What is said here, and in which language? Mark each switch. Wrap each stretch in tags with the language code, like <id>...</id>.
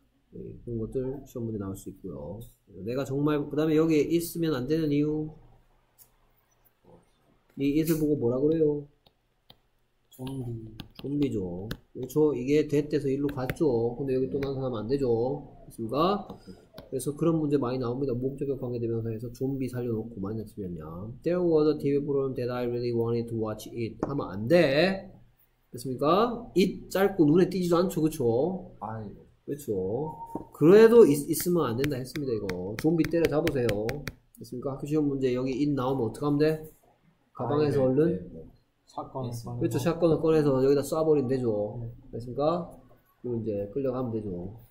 <ko>네, 그런 것들 시험 문제 나올 수 있고요. 내가 정말 그 다음에 여기에 있으면 안 되는 이유 이 it을 보고 뭐라 그래요? 좀비. 좀비죠. 그렇죠. 이게 됐대서 일로 갔죠. 근데 여기 또 나온 사람 안 되죠. 됐습니까? 그래서 그런 문제 많이 나옵니다. 목적격 관계대명사에서 좀비 살려놓고 만약 쓰면요.</ko> <en>There was a TV program that I really wanted to watch it.</en> <ko>하면 안 돼. 됐습니까? it 짧고 눈에 띄지도 않죠. 그렇죠. 아니. 그렇죠. 그래도 있으면 안 된다 했습니다. 이거. 좀비 때려 잡으세요. 됐습니까? 학교 시험 문제 여기 it 나오면 어떡하면 돼? 가방에서 아, 네, 얼른. 네, 네. 샷건을 그렇죠. 샷건을 꺼내서 여기다 쏴버리면 되죠. 네. 됐습니까? 그리고 이제 끌려가면 되죠.</ko>